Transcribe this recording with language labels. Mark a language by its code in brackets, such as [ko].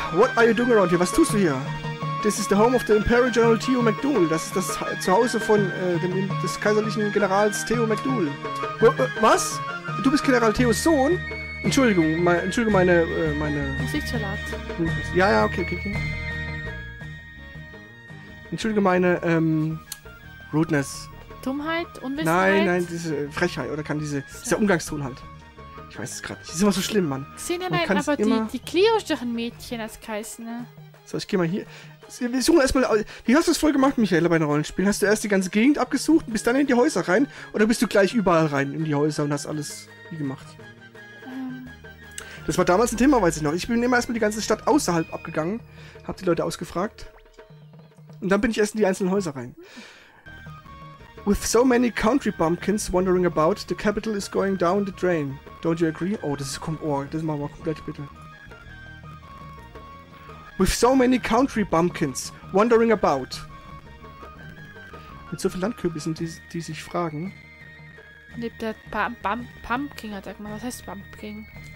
[en] What are you doing around here? [de] Was tust du hier? [en] This is the home of the Imperial General Theo McDool. [de] Das ist das Zuhause von des kaiserlichen Generals Theo McDool. Was? Du bist General Theos Sohn? Entschuldigung, meine... Musik zu laut. Ja, ja, okay. Entschuldige meine, Rudeness. Dummheit? Unwissenheit? Nein, diese Frechheit. Oder kann diese... So. Dieser Umgangston halt. Ich weiß es gerade nicht. Ist immer so schlimm, Mann. Die Cleo ist doch ein Mädchen, als geheißen, ne? So, ich geh mal hier... Wir suchen erstmal. Wie hast du es voll gemacht, Michaela, bei den Rollenspielen? Hast du erst die ganze Gegend abgesucht und bist dann in die Häuser rein? Oder bist du gleich überall rein in die Häuser und hast alles wie gemacht? Das war damals ein Thema, weiß ich noch. Ich bin immer erstmal die ganze Stadt außerhalb abgegangen, hab die Leute ausgefragt. Und dann bin ich erst in die einzelnen Häuser rein. [en] With so many country bumpkins wandering about, the capital is going down the drain. Don't you agree? [de] Oh, das ist das machen wir komplett, bitte. [en] With so many country bumpkins wandering about. [de] Mit so vielen Landkürbissen, die sich fragen. Lebt der Pumpkin, sag mal. Was heißt Pumpkin?